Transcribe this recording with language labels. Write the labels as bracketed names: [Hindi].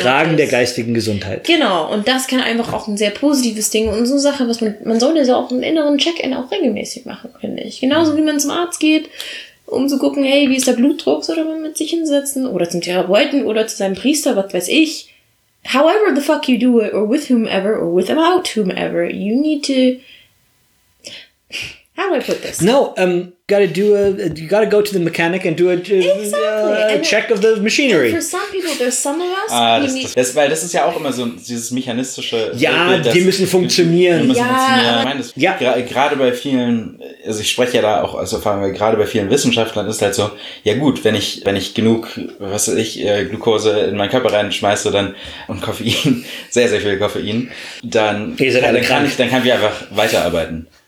[German] Fragen der geistigen Gesundheit. Genau, und das kann einfach auch ein sehr positives Ding und so Sache, was man sollte so auch einen inneren Check-in auch regelmäßig machen, finde ich. Genauso wie man zum Arzt geht. Um zu gucken, hey, wie ist der Blutdruck, soll man mit sich hinsetzen, oder zum Therapeuten, oder zu seinem Priester, was weiß ich. [English] However the fuck you do it, or with whomever, or with about whomever, you need to, how do I put this? No, you gotta go to the mechanic and do a, exactly. A check of the machinery. For some people, there's some of us, [German] das ist ja auch immer so dieses mechanistische. Ja, die müssen funktionieren. Gerade bei vielen, also ich spreche ja da auch aus Erfahrung, weil gerade bei vielen Wissenschaftlern ist halt so, ja gut, wenn ich genug, was weiß ich, Glucose in meinen Körper reinschmeiße, dann, und Koffein, sehr, sehr viel Koffein, dann kann ich einfach weiterarbeiten.